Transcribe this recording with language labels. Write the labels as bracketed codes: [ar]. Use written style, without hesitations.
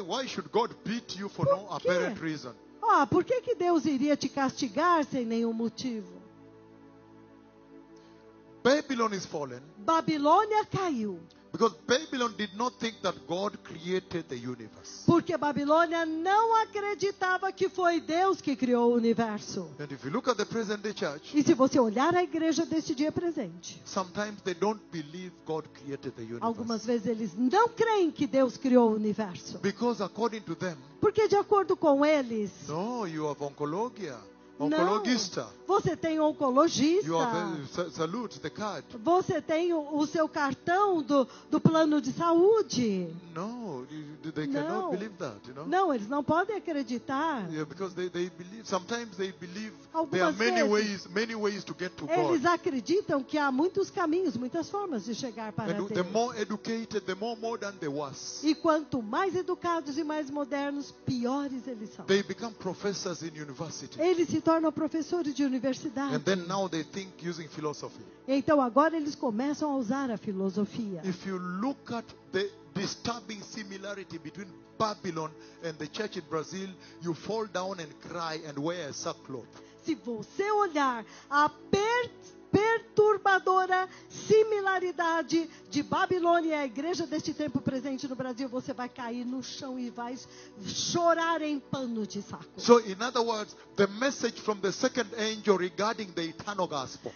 [en] Why should God beat you for no apparent reason? [pt] Ah, por que que Deus iria te castigar sem nenhum motivo? [en] Babylon is fallen. [pt] Babilônia caiu. [en] Because Babylon did not think that God created the universe. [pt] Porque Babilônia não acreditava que foi Deus que criou o universo. [en] And if you look at the present day church, [pt] e se você olhar a igreja deste dia presente, [en] sometimes they don't believe God created the universe. [pt] Algumas vezes eles não creem que Deus criou o universo. [en] Because according to them, [pt] porque de acordo com eles, [en] no, you have [pt] oncologia. Oncologista. Não. Você tem oncologista. [en] You have a, salute, the card. [pt] Você tem o seu cartão do plano de saúde. [en] No, they cannot [pt] não. [en] Believe that, you know? [pt] Não, eles não podem acreditar. [en] Yeah, because they believe, sometimes they believe there are many ways, many ways to get to [pt] eles [en] God. [pt] Eles acreditam que há muitos caminhos, muitas formas de chegar para Deus. [en] The more educated, the more modern they was. [pt] E quanto mais educados e mais modernos, piores eles são. [en] They become professors in university. [pt] Eles se tornam professores de universidade. [en] And then now they think using philosophy. [pt] Então agora eles começam a usar a filosofia. [en] If you look at the disturbing similarity between Babylon and the church in Brazil, you fall down and cry and wear a sackcloth. [pt] Se você olhar a perturbadora similaridade de Babilônia e a igreja deste tempo presente no Brasil, você vai cair no chão e vai chorar em pano de saco. [en] So in other words, the message from the second angel regarding the eternal gospel.